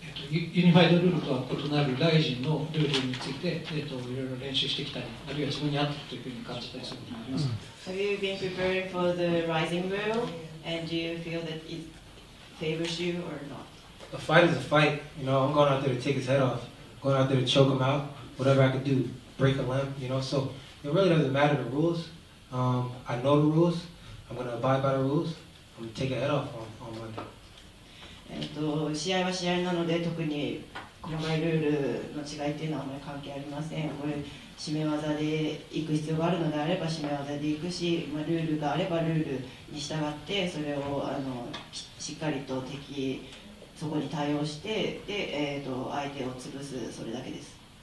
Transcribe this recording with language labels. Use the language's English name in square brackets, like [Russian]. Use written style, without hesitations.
[Japanese] ユニファイドルールとは異なるライジンのルールについて、いろいろ練習してきたり、あるいはそこに合ってるというふうに感じたりすることもありますか。 [English] Have you been prepared for the rising rule, and do you feel that it favors you or not? A fight is a fight. You know, I'm going out there to take his head off, going out there to choke him out, whatever I could do, break a limb. You know, so it really doesn't matter the rules. I know the rules. I'm going to abide by the rules. I'm going to take a head off on Monday. [Japanese] 試合は試合なので特に細かいルールの違いっていうのはあまり関係ありません。これ締め技で行く必要があるのであれば締め技で行くし、まあ、ルールがあればルールに従ってそれを しっかりと敵そこに対応してで、相手を潰すそれだけです。